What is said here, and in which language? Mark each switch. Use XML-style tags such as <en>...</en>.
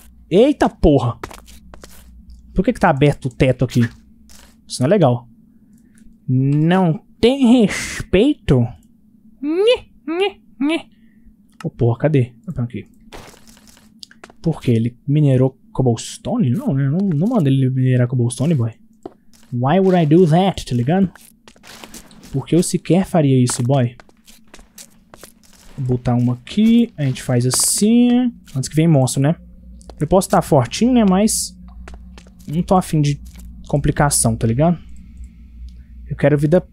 <pt>Eita porra! Por que que tá aberto o teto aqui? Isso não é legal. Não. Tem respeito? Nhi, nhi, nhi. Oh, porra, cadê? Aqui. Por que? Ele minerou cobblestone? Não, né? Não manda ele minerar cobblestone, boy.</pt> <en>Why would I do that,</en> <pt>tá ligado? Por que eu sequer faria isso, boy? Vou botar uma aqui. A gente faz assim. Antes que vem monstro, né? Eu posso estar fortinho, né? Mas não tô afim de complicação, tá ligado? Eu quero vida...</pt>